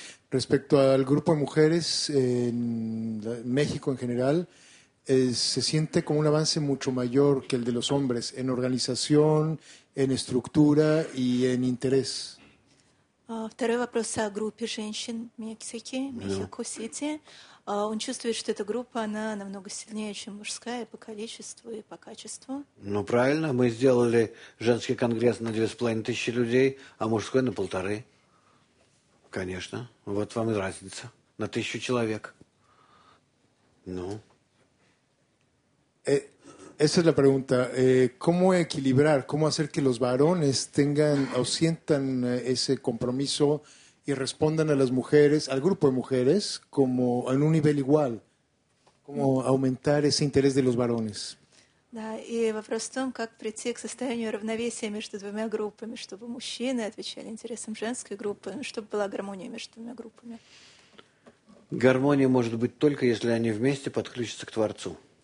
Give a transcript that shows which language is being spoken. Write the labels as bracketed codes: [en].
[es] respecto al grupo de mujeres en México en general, ¿se siente como un avance mucho mayor que el de los hombres en organización, en estructura y en interés? [ru] Второй вопрос о группе женщин Мексики, Мексико-Сити. Он чувствует, что эта группа, она намного сильнее, чем мужская, по количеству и по качеству. Ну, правильно. Мы сделали женский конгресс на 2500 людей, а мужской на 1500. Конечно. Вот вам и разница. На 1000 человек. Ну. [es] Esa es la pregunta. ¿Cómo equilibrar? ¿Cómo hacer que los varones tengan o sientan ese compromiso y respondan a las mujeres, al grupo de mujeres, como en un nivel igual? ¿Cómo aumentar ese interés de los varones? [ru] Да, и вопрос в том, как прийти к состоянию равновесия между двумя группами, чтобы мужчины отвечали интересам женской группы, чтобы была гармония между двумя группами. Гармония может быть только, если они вместе подключатся к Творцу.